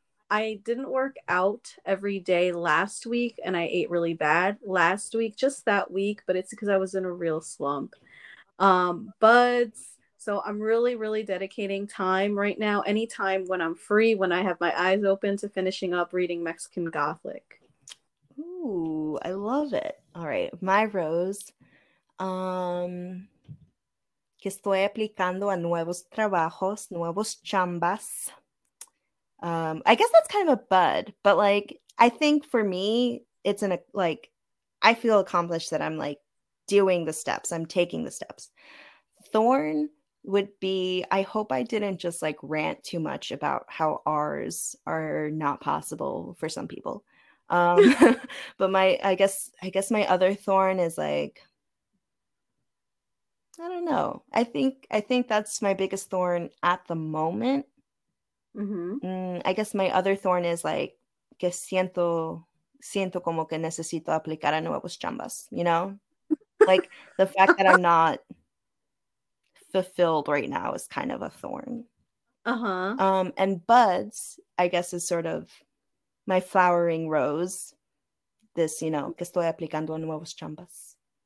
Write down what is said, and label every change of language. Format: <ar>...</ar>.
<en>I didn't work out every day last week and I ate really bad last week, just that week, but it's because I was in a real slump. Buds, so I'm really dedicating time right now. Anytime when I'm free, when I have my eyes open, to finishing up reading Mexican Gothic. Ooh, I love it. All right, my rose.</en> <es>Que estoy aplicando a nuevos trabajos, nuevos chambas.</es> <en>I guess that's kind of a bud, but like, I think for me, it's an like, I feel accomplished that I'm like doing the steps, I'm taking the steps. Thorn would be, I hope I didn't just like rant too much about how R's are not possible for some people. but my, I guess my other thorn is like, I don't know. I think that's my biggest thorn at the moment. I guess my other thorn is like</en> <es>que siento como que necesito aplicar a nuevos chambas,</es> <en>you know? Like the fact that I'm not fulfilled right now is kind of a thorn. And buds, I guess, is sort of my flowering rose. This, you know,</en> <es>que estoy aplicando a nuevos chambas.</es>